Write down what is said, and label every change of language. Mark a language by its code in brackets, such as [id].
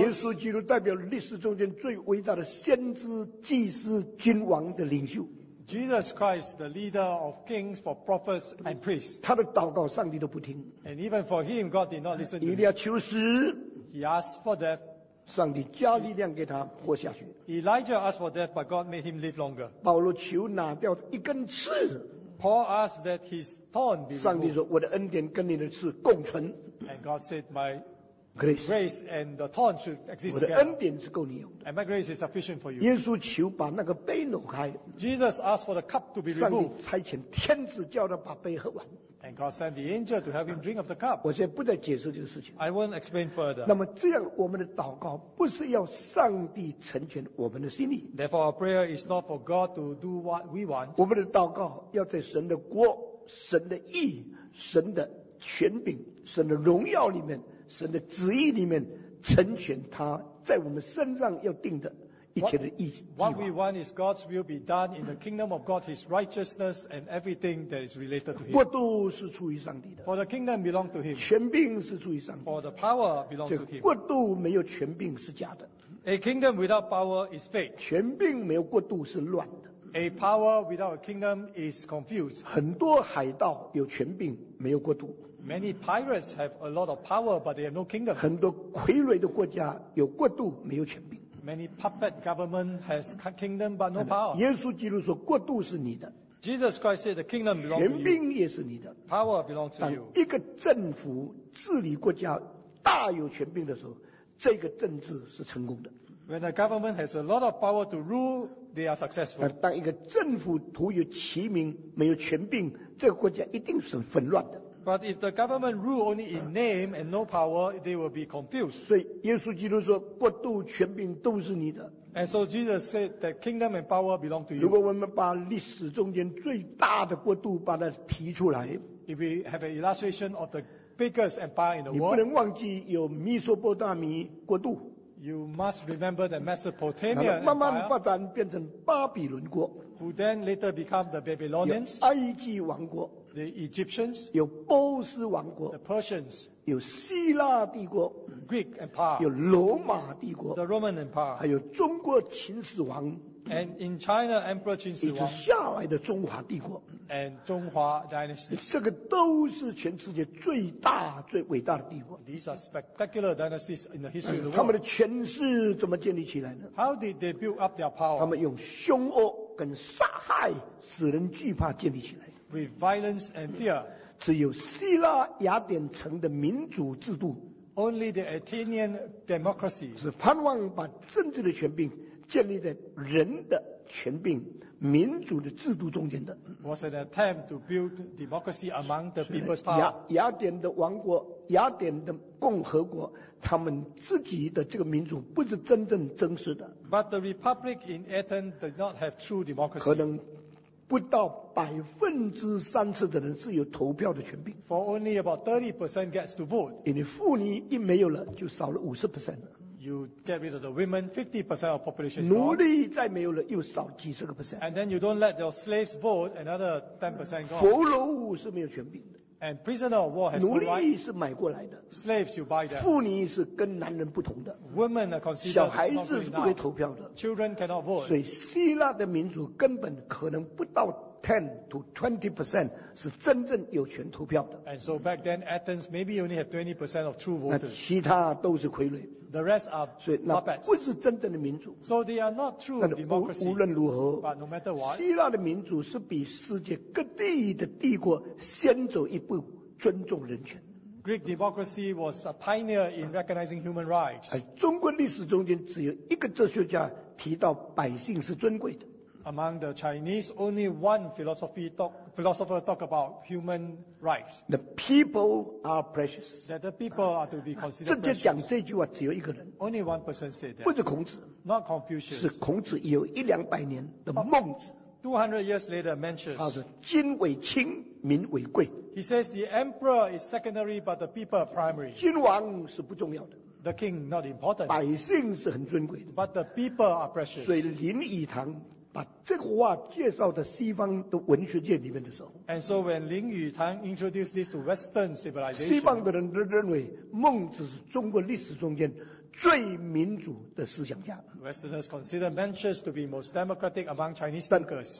[zh] 耶稣基督代表历史中间最伟大的先知、祭司、君王的领袖。 [en] Jesus Christ, the leader of kings for prophets and priests. [zh] 他的祷告上帝都不听。 [en] And even for him, God did not listen to him. [zh] 以利亚求死。 [en] He asked for death. [zh] 上帝加力量给他活下去。 [en] Elijah asked for death, but God made him live longer. [zh] 保罗求拿掉一根刺。 [en] Paul asked that his thorn be removed. [zh] 上帝说，我的恩典跟你的刺共存。 [en] And God said, my grace and the thorn should exist together. [zh] 我的恩典是够你用的。 [en] And my grace is sufficient for you. [zh] 耶稣求把那个杯挪开。 [en] Jesus asked for the cup to be removed. [zh] 上帝差遣天使叫他把杯喝完。 [en] And God sent the angel to help him drink of the cup. [zh] 我现在不再解释这个事情。 [en] I won't explain further. [zh] 那么这样我们的祷告不是要上帝成全我们的心意。 [en] Therefore our prayer is not for God to do what we want. [zh] 我们的祷告要在神的国、神的义、神的权柄、神的荣耀里面。神的旨意里面成全他在我们身上要定的一切的意计划。 [en] What we want is God's will be done in the kingdom of God, His righteousness and everything that is related to Him. [zh] 国度是出于上帝的。 [en] For the kingdom belongs to Him. [zh] 权柄是出于上帝的。 [en] For the power belongs to Him. [zh] 国度没有权柄是假的。 [en] A kingdom without power is fake. [zh] 权柄没有国度是乱的。 [en] A power without a kingdom is confused. [zh] 很多海盗有权柄没有国度。 [en] Many pirates have a lot of power, but they have no kingdom. [zh] 很多傀儡的国家有国度，没有权柄。 [en] Many puppet government has kingdom, but no power. [zh] 耶稣基督说，国度是你的。 [en] Jesus Christ said, the kingdom belongs to you. [zh] 权柄也是你的。 [en] Power belongs to you. [zh] 一个政府治理国家大有权柄的时候，这个政治是成功的。 [en] When a government has a lot of power to rule they are successful. [zh] 但当一个政府徒有其名没有权柄，这个国家一定是混乱的。 [en] But if the government rule only in name and no power, they will be confused. [zh] 所以耶稣基督说，国度权柄都是你的。 [en] And so Jesus said that kingdom and power belong to you. [zh] 如果我们把历史中间最大的国度把它提出来， [en] if we have an illustration of the biggest empire in the world, [zh] 你不能忘记有米索波大米国度。 [en] You must remember the Mesopotamia Empire, [zh] 慢慢发展变成巴比伦国， [en] who then later become the Babylonians, [zh] 有埃及王国， [en] the Egyptians, [zh] 有波斯王国， [en] the Persians, [zh] 有希腊帝国， [en] Greek Empire, [zh] 有罗马帝国， [en] the Roman Empire, [zh] 还有中国秦始皇， [en] and in China Emperor 秦始皇， [zh] 以及下来的中华帝国， [en] and 中华 Dynasty, [zh] 这个都是全世界最大最伟大的帝国。 [en] These are spectacular dynasties in the history of the world. [zh] 他们的权势怎么建立起来呢？ [en] How did they build up their power? [zh] 他们用凶恶跟杀害使人惧怕建立起来。 [en] With violence and fear. [zh] 只有希腊雅典城的民主制度， [en] Only the Athenian democracy. [zh] 是盼望把政治的权柄建立在人的权柄民主的制度中间的。 [en] Was an attempt to build democracy among the people's power. [zh] 雅典的王国，雅典的共和国，他们自己的这个民主不是真正真实的。 [en] But the republic in Athens did not have true democracy. [zh] 可能不到30%的人是有投票的权柄。 [en] For only about 30% gets to vote. [zh] 因为妇女一没有了，就少了50%了。 [en] You get rid of the women, 50% of population. [zh] 奴隶再没有了，又少几十个 percent. [en] And then you don't let your slaves vote, another 10% gone. [zh] 俘虏是没有权柄的。 [en] And prisoner of war has no right. [zh] 奴隶是买过来的。 [en] Slaves you buy them. [zh] 妇女是跟男人不同的。 [en] Women are considered. [zh] 小孩子是不可以投票的。 [en] Children cannot vote. [zh] 所以希腊的民主根本可能不到10-20% 是真正有权投票的。 [en] And so back then, Athens maybe only had 20% of true voters. [zh] 其他都是傀儡。 [en] The rest are puppets. [zh] 所以那不是真正的民主。 [en] So they are not true democracy. [zh] 无论如何， [en] but no matter what, [zh] 希腊的民主是比世界各地的帝国先走一步，尊重人权。 [en] Greek democracy was a pioneer in recognizing human rights. [zh] 中国历史中间只有一个哲学家提到百姓是尊贵的。 [en] Among the Chinese, only one philosopher talk about human rights. The people are precious. That the people are to be considered precious. [zh] 直接讲这句话只有一个人。 [en] Only one person said that. [zh] 不是孔子。 [en] Not Confucius. [zh] 是孔子有一两百年的孟子。 [en] 200 years later, mentions. [zh] 他说，君为轻，民为贵。 [en] He says the emperor is secondary, but the people are primary. [zh] 君王是不重要的。 [en] The king not important. [zh] 百姓是很尊贵的。 [en] But the people are precious. [zh] 所以林语堂把这个话介绍到西方的文学界里面的时候， [en] And so when 林语堂 introduced this to Western civilization， [zh] 西方的人都认为孟子是中国历史中间最民主的思想家。 [en] Westerners consider Mencius to be most democratic among Chinese thinkers。